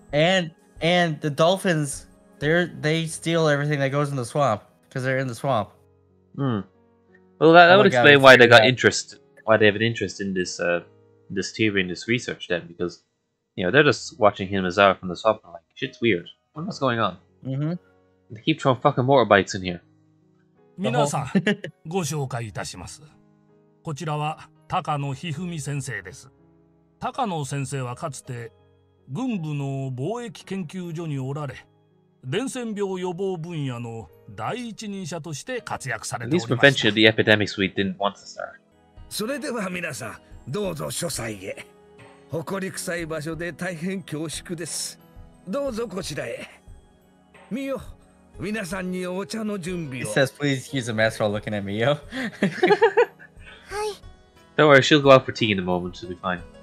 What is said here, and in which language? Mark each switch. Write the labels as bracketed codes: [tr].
[en] And the dolphins, they steal everything that goes in the swamp. Because they're in the swamp. Hmm. Well, that would explain why they got interest, why they have an interest in this, this theory and this research then, because, you know, they're just watching him as out from the swamp and like, shit's weird. What's going on? Mm-hmm. They keep throwing fucking motorbikes in here. [ja] 皆さん、ご紹介いたします。こちらは、高野一文先生です。高野先生はかつて、軍部の貿易研究所におられ、伝染病予防分野の第一人者として活躍されておりました。 [en] At least prevention of the epidemics we didn't want to start. [ja] それでは皆さん、どうぞ書斎へ。誇り臭い場所で大変恐縮です。どうぞこちらへ。ミヨ、皆さんにお茶の準備を。 [en] He says, please excuse the master looking at Mio. [ja] はい。 [en] Don't worry, she'll go out for tea in a moment, she'll be fine.